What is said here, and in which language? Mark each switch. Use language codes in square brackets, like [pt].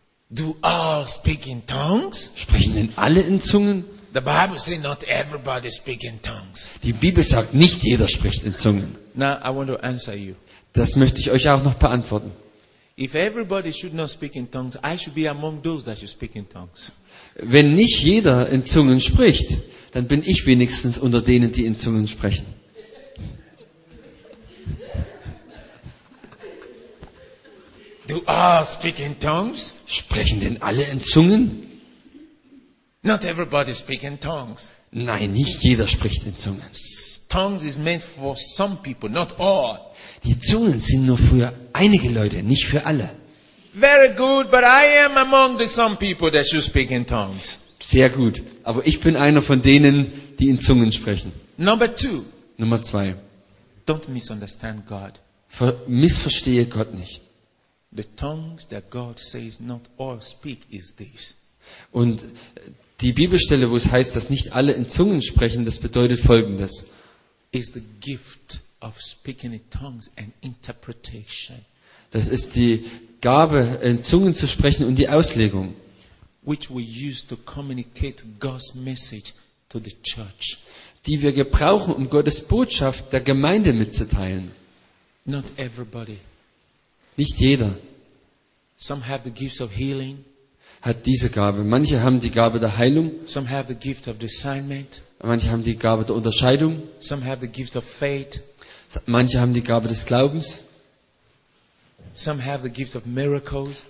[en] Do all speak in tongues? [de] Sprechen denn alle in Zungen? [en] The Bible says not everybody speaks in tongues. [de] Die Bibel sagt, nicht jeder spricht in Zungen. [en] Now I want to answer you. [de] Das möchte ich euch auch noch beantworten. [en] If everybody should not speak in tongues, I should be among those that should speak in tongues. [de] Wenn nicht jeder in Zungen spricht, dann bin ich wenigstens unter denen, die in Zungen sprechen. [en] Do all speak in tongues? [de] Sprechen denn alle in Zungen? [en] Not everybody speak in tongues. [de] Nein, nicht jeder spricht in Zungen. [en] Tongues is meant for some people, not all. [de] Die Zungen sind nur für einige Leute, nicht für alle. [en] Very good, but I am among the some people that should speak in tongues. [de] Sehr gut, aber ich bin einer von denen, die in Zungen sprechen. [en] Number two. [de] Nummer zwei. [en] Don't misunderstand God. [de] Missverstehe Gott nicht. [en] The tongues that God says not all speak is this. [de] Und die Bibelstelle, wo es heißt, dass nicht alle in Zungen sprechen, das bedeutet Folgendes. [en] Is the gift of speaking in tongues and interpretation. [de] Das ist die Gabe, in Zungen zu sprechen und die Auslegung. [en] Which we use to communicate God's message to the church. [de] Die wir gebrauchen, um Gottes Botschaft der Gemeinde mitzuteilen. [en] Not everybody. [de] Nicht jeder. [en] Some have the gifts of healing. [de] Hat diese Gabe. Manche haben die Gabe der Heilung. [en] Some have the gift of discernment. [de] Manche haben die Gabe der Unterscheidung. [en] Some have the gift of faith. [de] Manche haben die Gabe des Glaubens. [en] Some have the gift of miracles.